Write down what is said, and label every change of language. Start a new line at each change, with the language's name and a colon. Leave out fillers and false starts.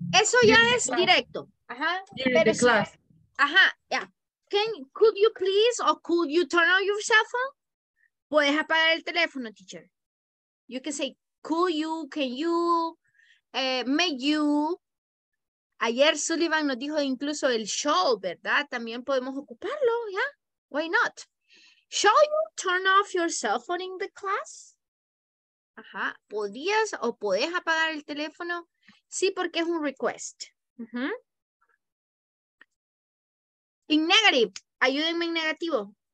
Spanish: Eso ya es directo. Ajá.
English: During the class. Ajá, yeah. Could you please or could you turn on your cell phone?
Spanish: Puedes apagar el teléfono,
English: teacher. You can say, could you, can you, may you.
Spanish: Ayer Sullivan nos dijo incluso el show, ¿verdad? También podemos ocuparlo, yeah.
English: Why not? Shall you turn off your cell phone in the class?
Spanish: Ajá. ¿Podías o podés apagar el teléfono? Sí, porque es un request. Uh-huh.
English: In negative,
Spanish: ayúdenme en negativo.